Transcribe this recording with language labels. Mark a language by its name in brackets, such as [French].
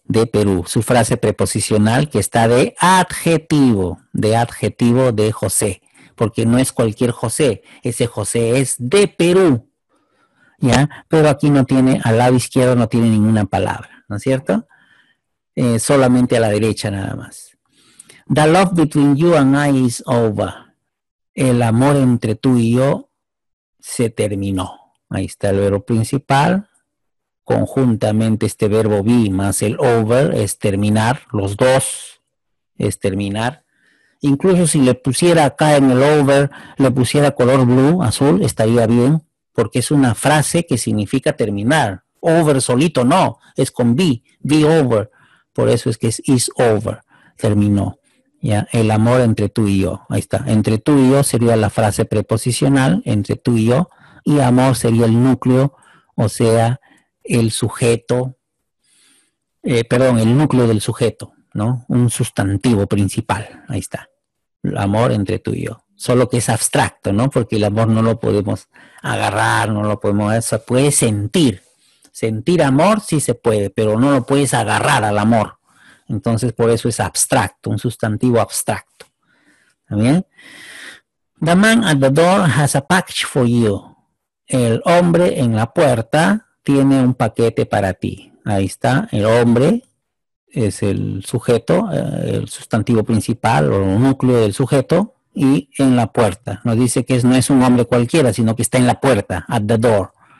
[Spanish] De Perú, su frase preposicional que está de adjetivo de José, porque no es cualquier José, ese José es de Perú. ¿Ya? Pero aquí no tiene, al lado izquierdo no tiene ninguna palabra, ¿no es cierto? Solamente a la derecha nada más. [English] The love between you and I is over. [Spanish] El amor entre tú y yo se terminó. Ahí está el verbo principal. Conjuntamente este verbo be más el over es terminar, los dos es terminar. Incluso si le pusiera acá en el over, le pusiera color blue, azul, estaría bien. Porque es una frase que significa terminar. Over solito, no. Es con be over. Por eso es que es is over. Terminó. ¿Ya? El amor entre tú y yo. Ahí está. Entre tú y yo sería la frase preposicional. Entre tú y yo. y amor sería el núcleo, o sea, el sujeto, el núcleo del sujeto, ¿no? Un sustantivo principal, ahí está, el amor entre tú y yo. Solo que es abstracto, ¿no? Porque el amor no lo podemos agarrar, no lo podemos, se puede sentir. Sentir amor sí se puede, pero no lo puedes agarrar al amor. Entonces, por eso es abstracto, un sustantivo abstracto. ¿Está bien? [English] The man at the door has a package for you. [Spanish] El hombre en la puerta tiene un paquete para ti. Ahí está, el hombre es el sujeto, el sustantivo principal o el núcleo del sujeto. Y en la puerta. Nos dice que no es un hombre cualquiera, sino que está en la puerta, [English] at the door.